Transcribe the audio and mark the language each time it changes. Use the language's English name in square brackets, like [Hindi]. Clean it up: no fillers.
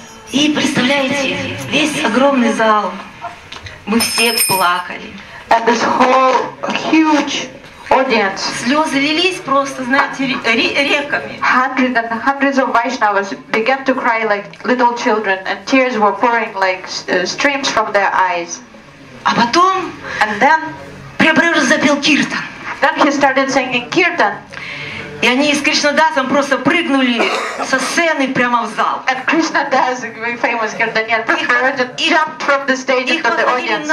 [Russian] И представляете, весь огромный зал, мы все плакали. [English] And this whole huge audience. [Russian] Слезы лились просто, знаете, реками. [English] Hundreds and hundreds of Vaishnavas began to cry like little children, and tears were pouring like streams from their eyes. [Russian] А потом, [English] and then, [Russian] Прибрыр запел киртан. [English] Then he started singing kirtan. [Russian] И они с Кришнадасом просто прыгнули со сцены прямо в зал. [English] And Krishnadas, very famous kirtanian, jumped from the stage into the audience.